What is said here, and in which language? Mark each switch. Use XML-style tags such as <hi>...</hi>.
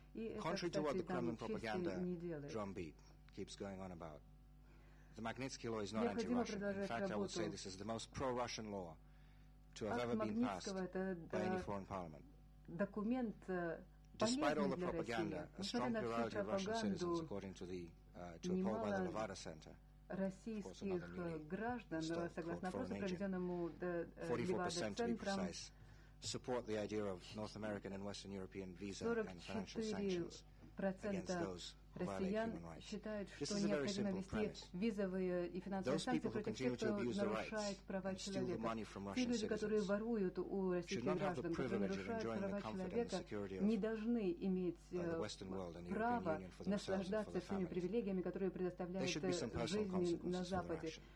<ru>И это, кстати, там чести не делает.</ru> <en>The Magnitsky law is not anti-Russian. In fact, I would say this is the most pro-Russian law to have ever been passed by any foreign parliament.</en> <ru>Документ</ru> <en>despite all the propaganda, a strong plurality of Russian citizens, according to the to a poll by the Nevada Center,</en> <ru>российских граждан, согласно опросу, проведенному Левада-центром,</ru> <en>support the idea of North American and Western European visa and financial sanctions against those.</en> <ru>Россиян считают, что необходимо вести визовые и финансовые санкции против тех, кто нарушает права человека. Те люди, которые воруют у российских граждан, которые нарушают права человека, не должны иметь право наслаждаться всеми привилегиями, которые предоставляют жизнь на Западе.</ru>